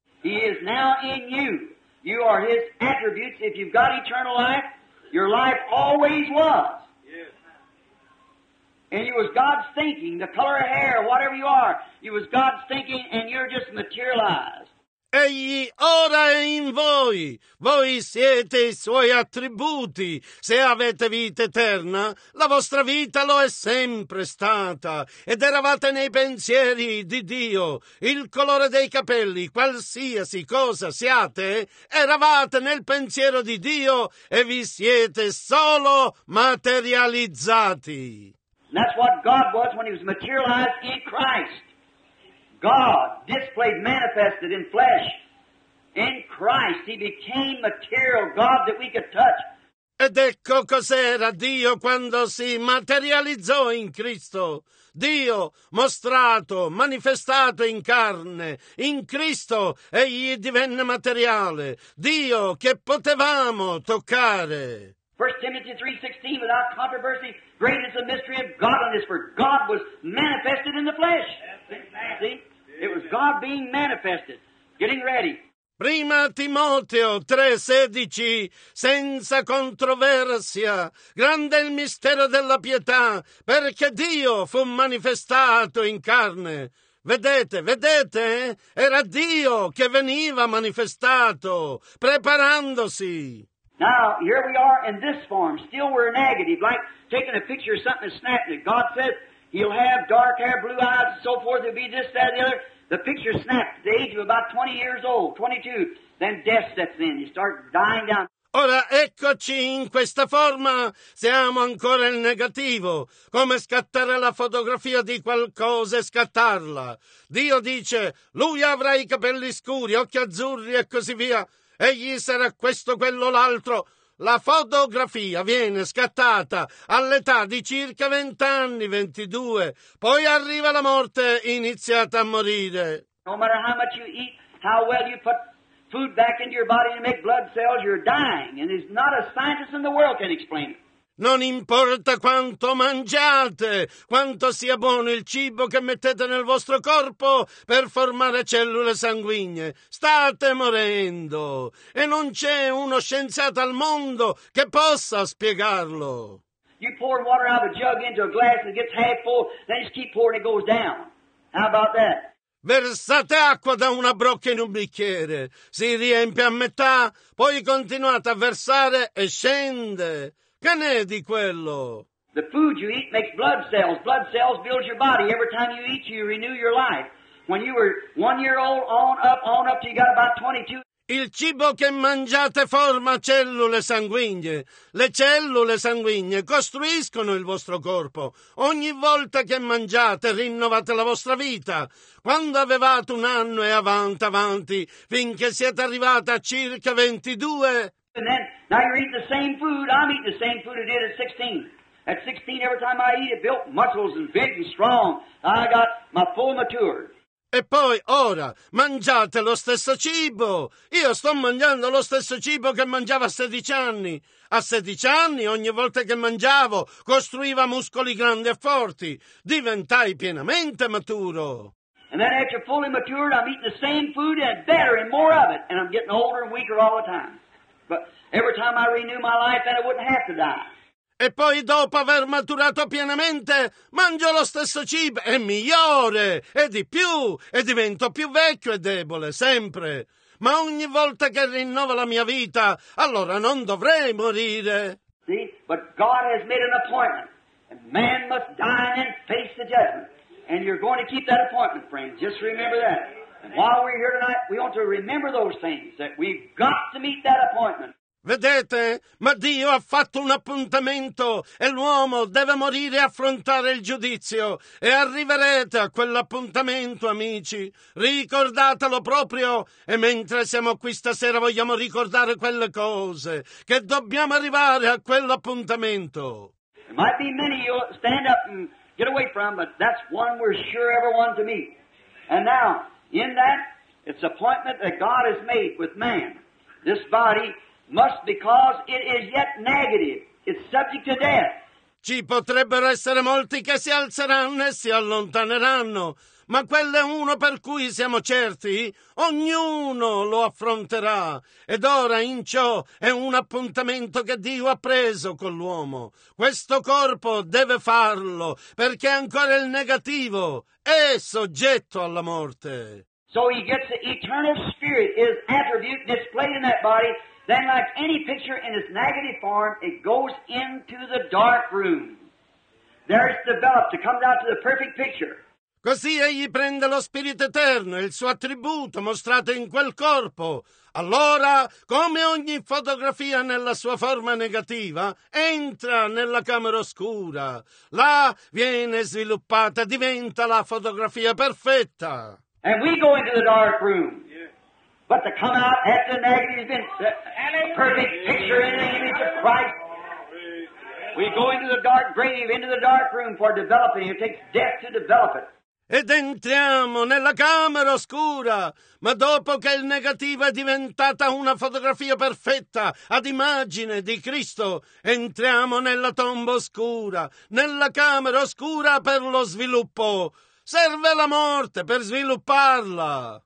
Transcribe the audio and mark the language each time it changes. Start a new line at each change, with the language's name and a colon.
English: He is now in you. You are His attributes. If you've got eternal life, your life always was. Yes. And it was God's thinking, the color of hair, whatever you are, it was God's thinking and you're just materialized.
Italian: Egli ora è in voi. Voi siete i suoi attributi. Se avete vita eterna, la vostra vita lo è sempre stata. Ed eravate nei pensieri di Dio. Il colore dei capelli, qualsiasi cosa siate, eravate nel pensiero di Dio e vi siete solo materializzati.
English: That's what God was when He was materialized in Christ. God displayed, manifested in flesh. In Christ He became material God that we could touch.
Italian: Ed ecco cos'era Dio quando si materializzò in Cristo. Dio mostrato, manifestato in carne. In Cristo Egli divenne materiale. Dio che potevamo toccare.
English: 1 Timothy 3:16, without controversy, great is the mystery of godliness, for God was manifested in the flesh. See? It was God being manifested, getting ready.
Italian: Prima Timoteo 3:16, senza controversia, grande il mistero della pietà, perché Dio fu manifestato in carne. Vedete? Era Dio che veniva manifestato, preparandosi.
English: Now, here we are in this form, still we're negative, like taking a picture of something and snapping it. God said He'll have dark hair, blue eyes, and so forth, it'll be this, that, and the other. The picture snaps at the age of about 20 years old, 22. Then death sets in. You start dying down.
Italian: Ora eccoci in questa forma, siamo ancora in negativo, come scattare la fotografia di qualcosa e scattarla. Dio dice, lui avrà i capelli scuri, occhi azzurri e così via, egli sarà questo, quello, l'altro. La fotografia viene scattata all'età di circa 20 anni, 22, poi arriva la morte, iniziate a morire.
English: No matter how much you eat, how well you put food back into your body to make blood cells, you're dying, and there's not a scientist in the world can explain it.
Italian: Non importa quanto mangiate, quanto sia buono il cibo che mettete nel vostro corpo per formare cellule sanguigne. State morendo e non c'è uno scienziato al mondo che possa spiegarlo.
English: You pour water out of a jug into a glass and it gets half full, then you just keep pouring and it goes down. How about that?
Italian: Versate acqua da una brocca in un bicchiere, si riempie a metà, poi continuate a versare e scende. Che ne è di quello?
English: The food you eat makes blood cells. Blood cells build your body. Every time you eat, you renew your life. When you were 1 year old, on up till you got about 22.
Italian: Il cibo che mangiate forma cellule sanguigne. Le cellule sanguigne costruiscono il vostro corpo. Ogni volta che mangiate, rinnovate la vostra vita. Quando avevate un anno e avanti, finché siete arrivati a circa 22...
English: And then, now you're eating the same food. I'm eating the same food I did at 16. At 16, every time I eat, it built muscles and big and strong. I got my full mature.
Italian: E poi, ora, mangiate lo stesso cibo. Io sto mangiando lo stesso cibo che mangiavo a 16 anni. A 16 anni, ogni volta che mangiavo, costruiva muscoli grandi e forti. Diventai pienamente maturo.
English: And then after fully matured, I'm eating the same food and better and more of it. And I'm getting older and weaker all the time. But every time I renew my life, then I wouldn't have to die.
Italian: E poi dopo aver maturato pienamente, mangio lo stesso cibo, è migliore, è di più, e divento più vecchio e debole, sempre. Ma ogni volta che rinnovo la mia vita, allora non dovrei morire.
English: See, but God has made an appointment, and man must die and face the judgment. And you're going to keep that appointment, friend, just remember that. And while we're here tonight, we want to remember those things, that we've got to meet that appointment.
Italian: Vedete? Ma Dio ha fatto un appuntamento e l'uomo deve morire e affrontare il giudizio. E arriverete a quell'appuntamento, amici. Ricordatelo proprio. E mentre siamo qui stasera vogliamo ricordare quelle cose, che dobbiamo arrivare a quell'appuntamento.
English: There might be many you stand up and get away from, but that's one we're sure everyone to meet. And now... In that, it's an appointment that God has made with man. This body must, because it is yet negative, it's subject to death.
Italian: Ci potrebbero essere molti che si alzeranno e si allontaneranno, ma quello è uno per cui siamo certi, ognuno lo affronterà. Ed ora in ciò è un appuntamento che Dio ha preso con l'uomo. Questo corpo deve farlo, perché ancora il negativo è soggetto alla morte.
English: So he gets the eternal spirit, his attribute displayed in that body, then like any picture in its negative form, it goes into the dark room. There it's developed, it comes out to the perfect picture.
Italian: Così egli prende lo spirito eterno e il suo attributo mostrato in quel corpo. Allora, come ogni fotografia nella sua forma negativa, entra nella camera oscura. Là viene sviluppata, diventa la fotografia perfetta.
English: And we go into the dark room. But to come out after the negative has been a perfect picture in the image of Christ. We go into the dark grave, into the dark room for developing. It takes death to develop it.
Italian: Ed entriamo nella camera oscura, ma dopo che il negativo è diventata una fotografia perfetta ad immagine di Cristo, entriamo nella tomba oscura, nella camera oscura per lo sviluppo. Serve la morte per svilupparla.